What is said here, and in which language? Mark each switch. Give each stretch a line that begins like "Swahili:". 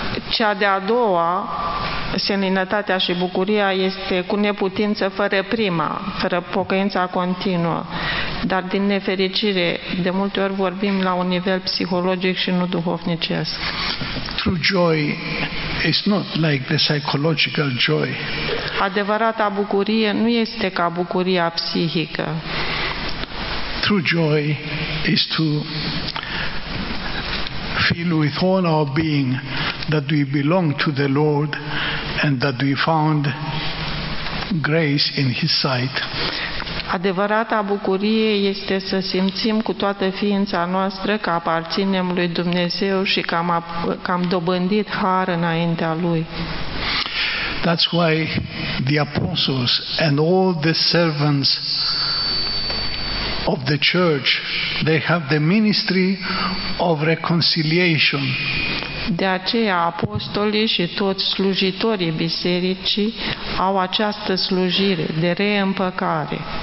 Romanian: Cea de-a doua, seninătatea și bucuria, este cu neputință fără prima, fără pocăința continuă. Dar din nefericire, de multe ori vorbim la un nivel psihologic și nu duhovnicesc.
English: True joy is not like the psychological joy.
Romanian: Adevărata bucurie nu este ca bucuria psihică.
English: True joy is to feel with all our being that we belong to the Lord and that we found grace in his sight.
Romanian: Adevărata bucurie este să simțim cu toată ființa noastră că aparținem lui Dumnezeu și că am dobândit har înaintea lui.
English: That's why the apostles and all the servants of the church, they have the ministry of reconciliation.
Romanian: De aceea apostolii și toți slujitorii bisericii au această slujire de reîmpăcare.